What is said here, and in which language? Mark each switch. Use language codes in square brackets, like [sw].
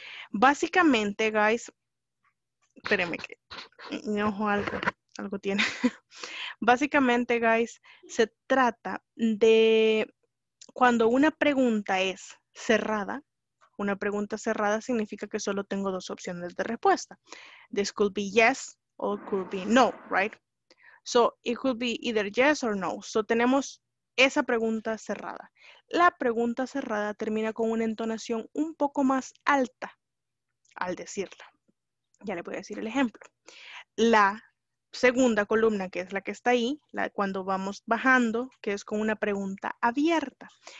[es] Básicamente, guys, espérenme que mi ojo algo tiene. Básicamente, guys, se trata de cuando una pregunta es cerrada. Una pregunta cerrada significa que solo tengo dos opciones de respuesta. [en] This could be yes or could be no, right? So, it could be either yes or no. [es] So, tenemos esa pregunta cerrada. La pregunta cerrada termina con una entonación un poco más alta al decirla. Ya le voy a decir el ejemplo. La segunda columna, que es la que está ahí, la cuando vamos bajando, que es con una pregunta abierta.